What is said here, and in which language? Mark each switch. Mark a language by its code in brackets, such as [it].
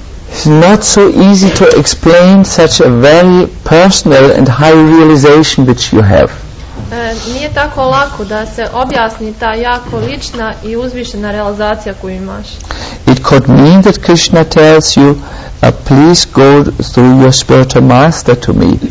[en] It's not so easy to explain such a very personal and high realization which you have. [bs] Nije tako lako da se objasni ta jako lična i uzvišena realizacija koju imaš. [en] It could mean that Krishna tells you, please go through your spiritual master to me.